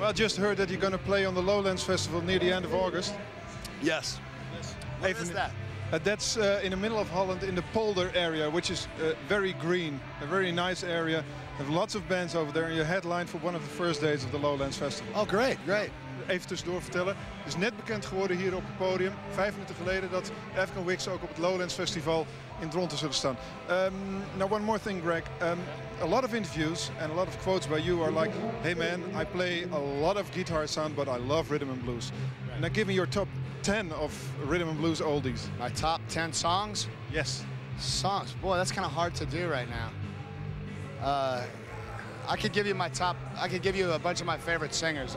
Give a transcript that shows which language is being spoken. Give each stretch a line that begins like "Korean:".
English: Well, I just heard that you're going to play on the Lowlands Festival near the end of August. Yes. What is that? That's in the middle of Holland, in the polder area, which is very green, a very nice area. There are lots of bands over there, and you're headlined for one of the first days of the Lowlands Festival. Oh, great, great.
Dutch: Even tussendoor vertellen. Het is net bekend geworden hier op het podium, 5 minuten geleden, dat Afghan Whigs ook op het Lowlands Festival in Dronten zullen staan.
English: Now, one more thing, Greg. A lot of interviews and a lot of quotes by you are like, hey man, I play a lot of guitar sound, but I love rhythm and blues. Right. Now, give me your top 10 of rhythm and blues oldies. My top 10 songs? Yes. Songs? Boy, that's kind of hard to do right now. I could give you my top, I could give you a bunch of my favorite singers.